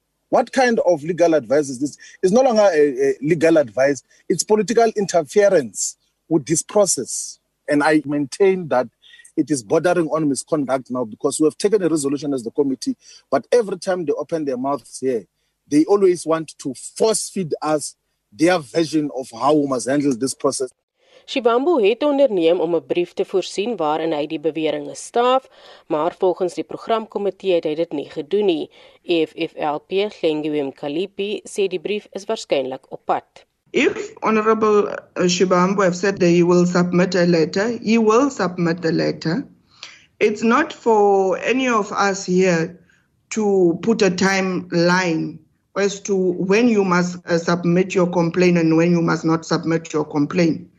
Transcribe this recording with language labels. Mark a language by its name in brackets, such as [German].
[English] What kind of legal advice is this? It's no longer a legal advice, it's political interference with this process. And I maintain that it is bordering on misconduct now because we have taken a resolution as the committee, but every time they open their mouths here, they always want to force feed us their version of how we must handle this process. [Afrikaans] Shibambu het onderneem om 'n brief te voorsien waarin hy die beweringe staaf, maar volgens die programkomitee het hy dit nie gedoen nie. EFFLP Gengiwem Kalipi sê die brief is waarskynlik op pad. [English] If Honorable Shibambu have said that he will submit a letter, he will submit the letter. It's not for any of us here to put a timeline as to when you must submit your complaint and when you must not submit your complaint.